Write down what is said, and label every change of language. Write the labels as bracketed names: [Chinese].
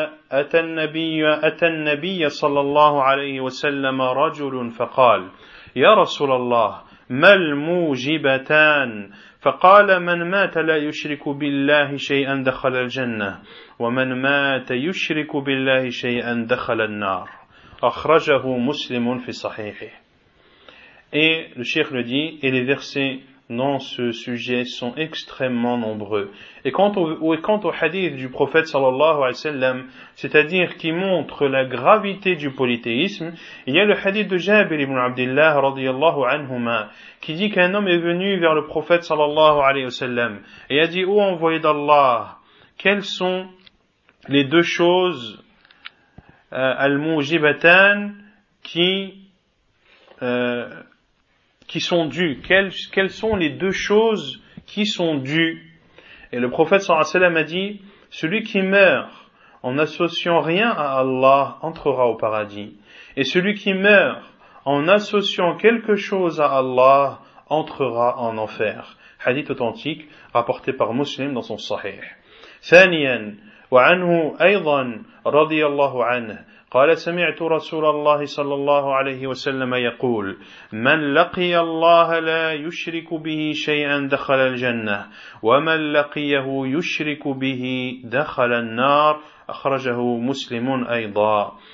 [Arabic] أتى النبي صلى الله عليه وسلم رجل فقال يا رسول الله ما الموجبتان؟ فقال من مات لا يشرك بالله شيئا دخل الجنة ومن مات يشرك بالله شيئا دخل النار. أخرجه مسلم في صحيحه. الشيخ لدي إلى ذخسي [French] dans ce sujet sont extrêmement nombreux. Et quant au hadith du prophète sallallahu alayhi wa sallam, c'est-à-dire qui montre la gravité du polythéisme, il y a le hadith de Jabir ibn Abdillah radiyallahu anhuma, qui dit qu'un homme est venu vers le prophète sallallahu alayhi wa sallam et a dit: ô envoyé d'Allah, quelles sont les deux choses al-mujibatan qui sont dues. Quelles sont les deux choses qui sont dues? Et le prophète sallallahu alayhi wa sallam a dit, celui qui meurt en n'associant rien à Allah entrera au paradis. Et celui qui meurt en associant quelque chose à Allah entrera en enfer. Hadith authentique rapporté par Muslim dans son Sahih. [Arabic] Thaniyan, wa anhu aydan radiyallahu anhu. قال سمعت رسول الله صلى الله عليه وسلم يقول من لقي الله لا يشرك به شيئا دخل الجنة ومن لقيه يشرك به دخل النار أخرجه مسلم أيضا.